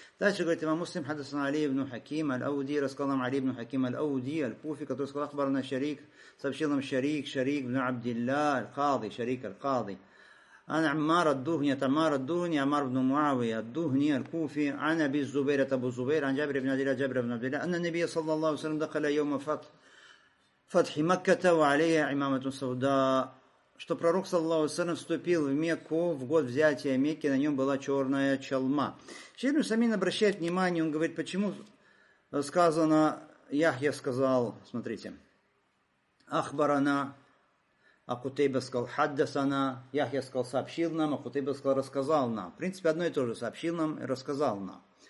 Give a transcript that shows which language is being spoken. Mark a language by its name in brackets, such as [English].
[Russian] Дальше говорит имам муслим, хадасана Али ибн Хаким, аль-Ауди, рассказал нам Али ибн Хаким, аль-Ауди, аль-Куфи, который сказал, ахбарна шарик, сообщил нам шарик, шарик, ибн Абдилля, аль-Кади, шарик, аль-Кади. [Arabic] عن عمار الدهني تمار الدهني عمار بن معاوية الدهني الكوفي عن أبي الزبير أبو الزبير عن جابر بن عبد الله جابر بن عبد الله أن النبي صلى الله عليه وسلم دخل يوم فتح مكة وعليه عمامة سوداء [Russian] что пророк саллаллаху алейхи ва саллям вступил в Мекку в год взятия Мекки, на нем была черная чалма. Шейх ибн Усеймин обращает внимание, он говорит, почему сказано, Яхья сказал, смотрите, Ахбарана, а Кутейба сказал «хаддасана», Яхья сказал «сообщил нам», а Кутейба сказал «рассказал нам». В принципе, одно и то же «сообщил нам» и «рассказал нам».